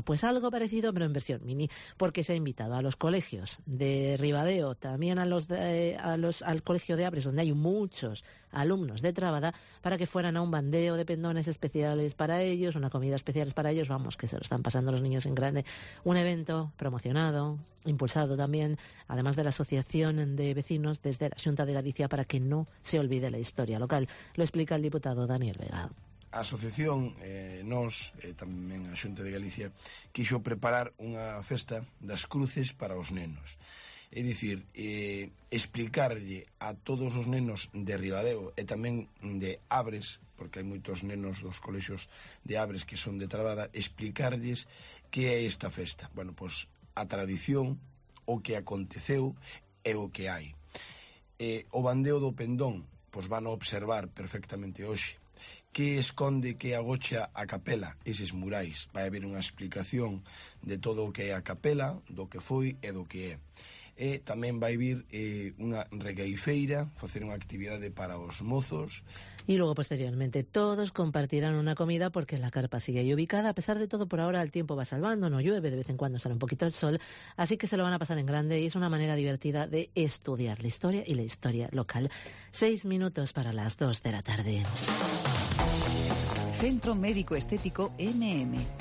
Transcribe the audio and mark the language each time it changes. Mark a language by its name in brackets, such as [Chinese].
[Spanish] Pues algo parecido, pero en versión mini, porque se ha invitado a los colegios de Ribadeo, también a los de, al colegio de Abres, donde hay muchos alumnos de Trábada, para que fueran a un bandeo de pendones especiales para ellos, una comida especial para ellos, vamos, que se lo están pasando los niños en grande. Un evento promocionado, impulsado también, además de la Asociación de Vecinos desde la Xunta de Galicia, para que no se olvide la historia local. Lo explica el diputado Daniel Vega. [Galician] A asociación, nos, tamén a Xunta de Galicia, quixo preparar unha festa das cruces para os nenos. É dicir, explicarlle a todos os nenos de Ribadeo e tamén de Abres, porque hai moitos nenos dos colexios de Abres que son de Trabada, explicarlles que é esta festa. Bueno, pois a tradición, o que aconteceu e o que hai. O bandeo do pendón, pois van a observar perfectamente hoxe. Que esconde, que agocha a capela, eses murais. Vai haber unha explicación de todo o que é a capela, do que foi e do que é. E tamén vai vir unha regueifeira, facer unha actividade para os mozos. E logo, posteriormente, todos compartirán unha comida porque la carpa sigue aí ubicada. [Spanish] A pesar de todo, por ahora, el tiempo va salvando, no llueve, de vez en cuando sale un poquito el sol. Así que se lo van a pasar en grande y es una manera divertida de estudiar la historia y la historia local. 6:02 p.m. Centro Médico Estético MM.